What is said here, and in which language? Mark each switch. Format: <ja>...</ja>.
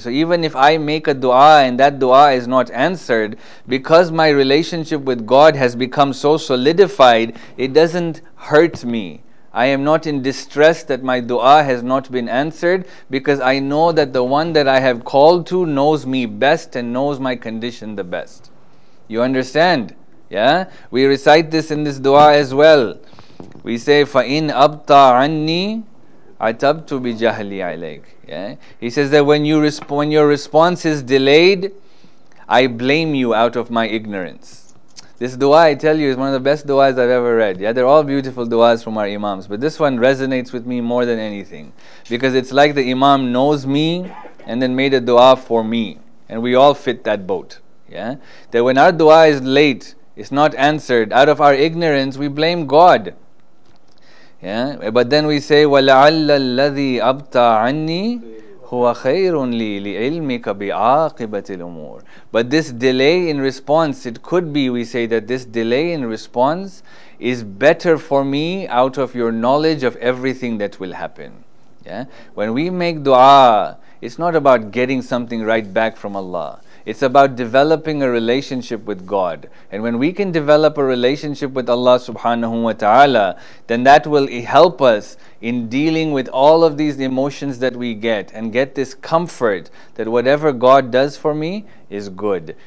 <en>So even if I make a dua and that dua is not answered, because my relationship with God has become so solidified, it doesn't hurt me. I am not in distress that my dua has not been answered, because I know that the one that I have called to knows me best and knows my condition the best. You understand? Yeah? We recite this in this dua as well. We say,</en> <ar>فَإِنْ أَبْطَى عَنِّي عَتَبْتُ بِجَهْلِ عَلَيْكَ.</ar> <en>Yeah? He says that when your response is delayed, I blame you out of my ignorance. This dua, I tell you, is one of the best duas I've ever read. Yeah, they're all beautiful duas from our imams. But this one resonates with me more than anything. Because it's like the imam knows me and then made a dua for me. And we all fit that boat. Yeah, that when our dua is late, it's not answered, out of our ignorance, we blame God. Yeah, but then we say,</en> <ar>وَلَعَلَّ الَّذِي أَبْطَى عَنِّي هُوَ خَيْرٌ لِي لِعِلْمِكَ بِعَاقِبَةِ الْأُمُورِ.</ar> <en>But this delay in response, it could be, we say, that this delay in response is better for me out of your knowledge of everything that will happen. Yeah, when we make dua, it's not about getting something right back from Allah. It's about developing a relationship with God. And when we can develop a relationship with Allah subhanahu wa ta'ala, then that will help us in dealing with all of these emotions that we get and get this comfort that whatever God does for me is good.</en>